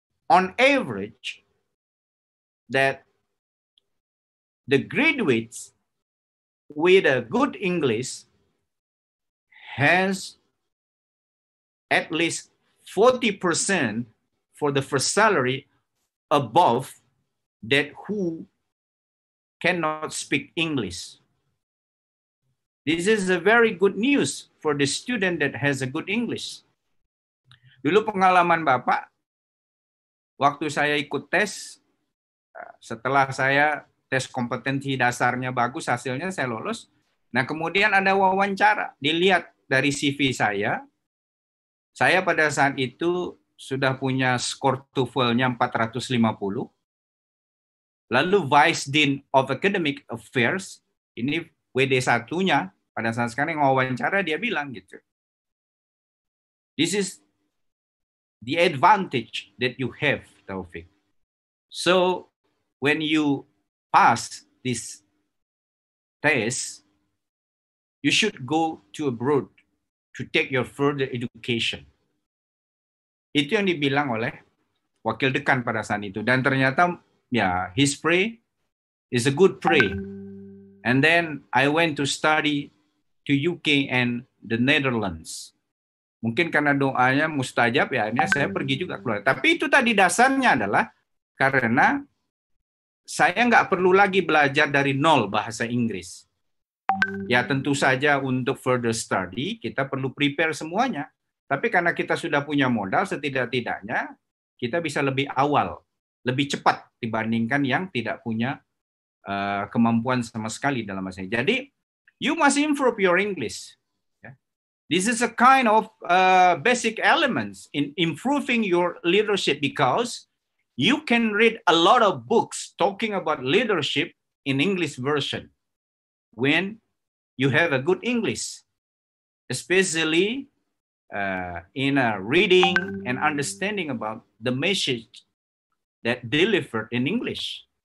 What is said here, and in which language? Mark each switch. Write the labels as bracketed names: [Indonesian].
[English] on average, that the graduates with a good English has at least 40% for the first salary above that who cannot speak English. This is a very good news for the student that has a good English. [Indonesian] Dulu pengalaman Bapak, waktu saya ikut tes, setelah saya tes kompetensi dasarnya bagus, hasilnya saya lolos. Nah, kemudian ada wawancara, dilihat dari CV saya pada saat itu sudah punya skor TOEFL-nya 450. Lalu Vice Dean of Academic Affairs, ini WD1-nya, pada saat sekarang wawancara dia bilang gitu. [English] This is the advantage that you have, Taufik. So, when you pass this test, you should go to abroad to take your further education. [Indonesian] Itu yang dibilang oleh wakil dekan pada saat itu. Dan ternyata, ya, [English] his prayer is a good prayer. And then I went to study to UK and the Netherlands. [Indonesian] Mungkin karena doanya mustajab, ya, ini saya pergi juga keluar. Tapi itu tadi dasarnya adalah karena saya nggak perlu lagi belajar dari nol bahasa Inggris. Ya, tentu saja untuk [English] further study, [Indonesian] kita perlu prepare semuanya. Tapi karena kita sudah punya modal, setidak-tidaknya kita bisa lebih awal, lebih cepat dibandingkan yang tidak punya kemampuan sama sekali dalam bahasa. Jadi, [English] you must improve your English. This is a kind of basic elements in improving your leadership because you can read a lot of books talking about leadership in English version when you have a good English, especially in a reading and understanding about the message that delivered in English.